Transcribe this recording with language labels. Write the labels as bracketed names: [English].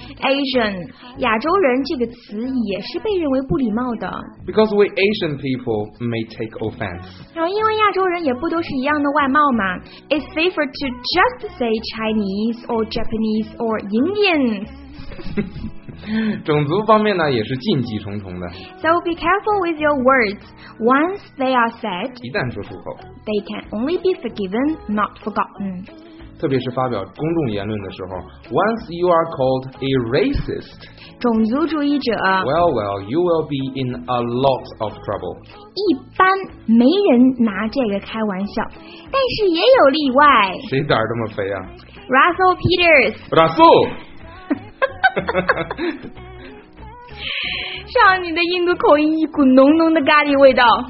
[Chinese] Asian 亚洲人这个词也是被认为不礼貌的 [English] Because we Asian people may take offense [Chinese] 因为亚洲人也不都是一样的外貌嘛 [English] It's safer to just say Chinese or Japanese or Indian [Chinese] 种族方面呢也是禁忌重重的 [English] So be careful with your words Once they are said [Chinese] 一旦说出口 [English] They can only be forgiven, not forgotten [Chinese] 特别是发表公众言论的时候 [English] Once you are called a racist [Chinese] 种族主义者 [English] Well, well, you will be in a lot of trouble [Chinese] 一般没人拿这个开玩笑但是也有例外谁胆儿这么肥啊 [English] Russell Peters Russell [Chinese] 上你的印度口音一股浓浓的咖喱味道